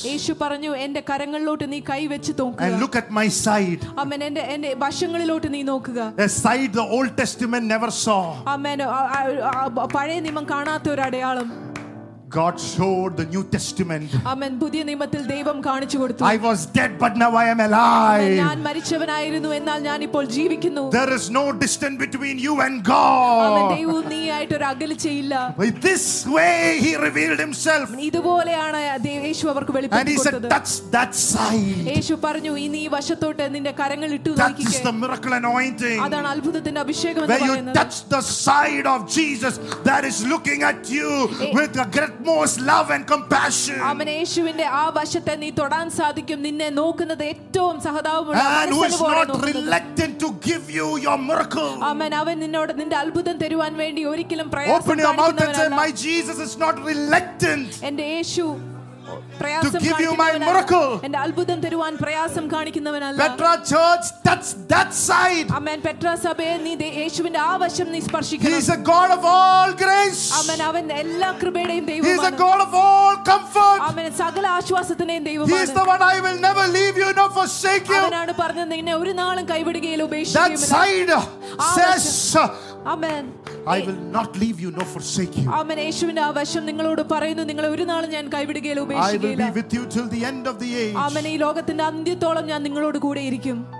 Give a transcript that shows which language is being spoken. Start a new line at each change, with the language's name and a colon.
Malayalam: യേശു പറഞ്ഞു എന്റെ കരങ്ങളിലോട്ട് നീ കൈ വെച്ച് നോക്കുക.
English: And look at my side.
Malayalam: അമ്മേ എന്റെ എന്റെ വശങ്ങളിലോട്ട് നീ നോക്കുക.
English: A side the Old Testament never saw.
Malayalam: അമ്മേ പഴയ നിയമം കാണാത്ത ഒരു അടയാളം.
English: God showed the New Testament.
Malayalam: അമ്മേ പുതിയ നിയമത്തിൽ ദൈവം കാണിച്ചു കൊടുത്തു.
English: I was dead but now I am alive.
Malayalam: ഞാൻ മരിച്ചവനായിരുന്നു എന്നാൽ ഞാൻ ഇപ്പോൾ ജീവിക്കുന്നു.
English: There is no distance between you and God.
Malayalam: അമ്മേ ദൈവം നീ ആയിട്ട് ഒരു അകലച്ചയില്ല.
English: With this way he revealed himself.
Malayalam: ഇതുപോലെയാണ് യേശു അവർക്ക് വെളിപ്പെട്ടു കൊടുത്തത്.
English: And he said touch that side.
Malayalam: യേശു പറഞ്ഞു ഇനി ഈ വശത്തോട്ട് നിന്റെ കരങ്ങൾ ഇട്ടു നോക്കിക്കേ.
English: That is the miracle anointing.
Malayalam: അതാണ് അത്ഭുതത്തിന്റെ അഭിഷേകം എന്ന് പറയുന്നത്.
English: When you touch the side of Jesus that is looking at you with the most love and compassion.
Malayalam: അമ്മേ യേശുവിന്റെ ആ വശത്തെ നീ തൊടാൻ സാധിക്കും. നിന്നെ നോക്കുന്നത് ഏറ്റവും സഹതാപമുള്ള മനസ്സ് പോലെ നോക്കുന്നു.
English: And who is not reluctant to give you your miracle.
Malayalam: അമ്മേ അവൻ നിന്നോട് നിന്റെ അത്ഭുതം തരുവാൻ വേണ്ടി ഒരിക്കലും പ്രയാസം കാണിക്കുന്നവനല്ല.
English: My Jesus is not reluctant.
Malayalam: എന്റെ യേശു
English: to give you my miracle.
Malayalam: എന്റെ അത്ഭുതം തരുവാൻ പ്രയാസം കാണിക്കുന്നവനല്ല.
English: Petra church touch that side.
Malayalam: അമ്മേ പെട്ര സഭയെ നീ യേശുവിന്റെ ആ വശം നീ സ്പർശിക്കണം.
English: He is a God of all grace.
Malayalam: അമ്മേ അവൻ എല്ലാ കൃപയുടെയും ദൈവമാണ്.
English: He is a God of all comfort.
Malayalam: അമ്മേ സകല ആശ്വാസത്തിന്റെയും ദൈവമാണ്.
English: He is the one I will never leave you nor forsake you.
Malayalam: അവനാണ് പറഞ്ഞു നിന്നെ ഒരു നാളും കൈവിടുകയില്ല ഉപേക്ഷിക്കുകയില്ല.
English: That side says amen. I will not leave you nor forsake you.
Malayalam: അമ്മേ യേശുവിന്റെ ആ വശം നിങ്ങളോട് പറയുന്നു നിങ്ങളെ ഒരു നാളും ഞാൻ കൈവിടുകയില്ല.
English: I will be with you till the end of the age.
Malayalam: അമ്മേ ഈ ലോകത്തിന്റെ അന്ത്യത്തോളം ഞാൻ നിങ്ങളോട് കൂടെ ഇരിക്കും.